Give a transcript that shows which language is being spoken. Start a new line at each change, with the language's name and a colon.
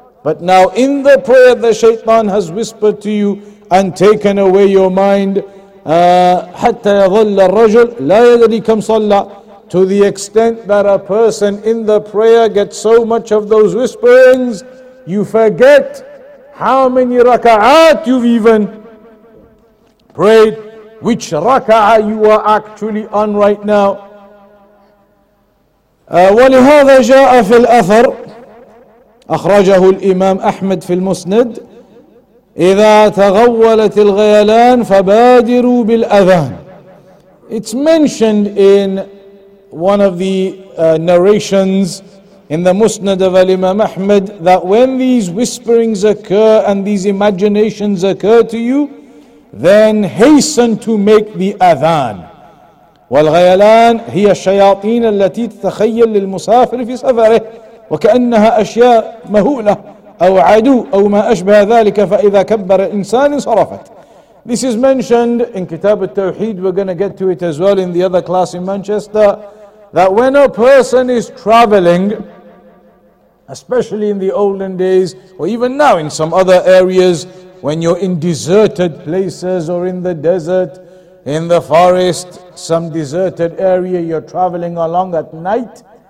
English: But now in the prayer, the shaitan has whispered to you and taken away your mind,
Arabic: حتى يظل الرجل لا يدري كم صلى,
English: to the extent that a person in the prayer gets so much of those whisperings, you forget how many raka'at you've even prayed, which raka'ah you are actually on right now.
Arabic: ولهذا جاء في الأثر أخرجه الإمام أحمد في المسند إذا تغولت الغيلان فبادروا بالأذان.
English: It's mentioned in one of the narrations in the Musnad of Imam Ahmad that when these whisperings occur and these imaginations occur to you, then hasten to make the adhan.
Arabic: والغيلان هي الشياطين التي تتخيل للمسافر في سفره وكأنها أشياء مهولة أو عدو أو ما أشبه ذلك فإذا كبر إنسان صرفت.
English: This is mentioned in Kitab al-Tawheed. We're going to get to it as well in the other class in Manchester. That when a person is traveling, especially in the olden days, or even now in some other areas, when you're in deserted places or in the desert, in the forest, some deserted area, you're traveling along at night,